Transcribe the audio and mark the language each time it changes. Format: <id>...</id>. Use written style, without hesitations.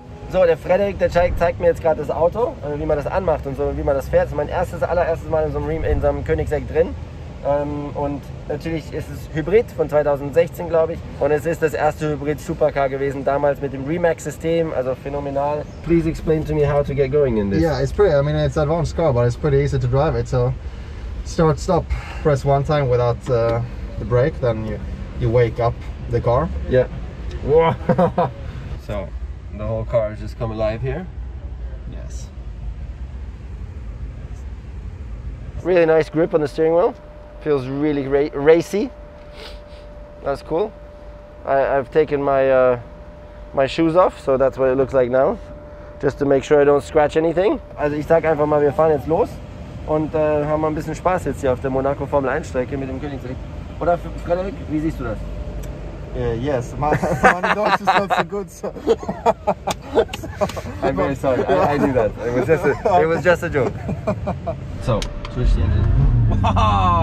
<de>So, der Frederik, der zeigt mir jetzt gerade das Auto, also wie man das anmacht und so, wie man das fährt. Das ist mein allererstes Mal in so einem Koenigsegg drin. Und natürlich ist es Hybrid von 2016, glaube ich. Und es ist das erste Hybrid-Supercar gewesen, damals mit dem Remax-System, also phänomenal.</de> <en>Please explain to me how to get going in this. Yeah, it's pretty, I mean, it's an advanced car, but it's pretty easy to drive it. So, start, stop, press one time without the brake, then you wake up the car. Yeah. So, the whole car has just come alive here. Yes. Really nice grip on the steering wheel. Feels really racy. That's cool. I've taken my shoes off, so that's what it looks like now. Just to make sure I don't scratch anything.</en> <de>Also ich sag einfach mal, wir fahren jetzt los und haben mal ein bisschen Spaß jetzt hier auf der Monaco Formel 1 Strecke mit dem Koenigsegg. Oder Frederik, wie siehst du das?</de> <en>Yes, my Deutsch ist not so good. So. I'm very sorry. I knew that. It was just a joke. So, switch the engine.</en>